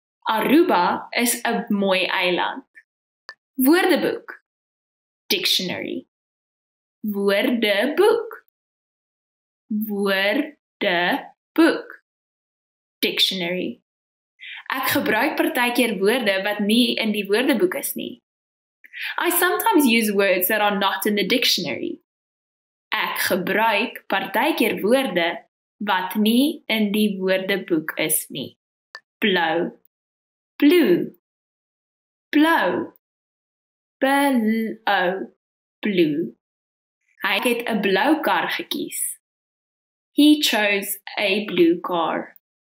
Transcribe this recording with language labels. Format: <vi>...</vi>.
<af>Aruba is a mooi eiland. Woordeboek.</af> <en>Dictionary.</en> <af>Woordeboek. Woordeboek.</af> <en>Dictionary.</en> <af>Ek gebruik partykeer woorde wat nie in die woordeboek is nie.</af> <en>I sometimes use words that are not in the dictionary.</en> <af>Ek gebruik partykeer woorde wat nie in die woordeboek is nie. Blou.</af> <en>Blue.</en> <af>Blou. Blou. Blue. Hy het 'n blou kar gekies.</af> <en>He chose a blue car.</en>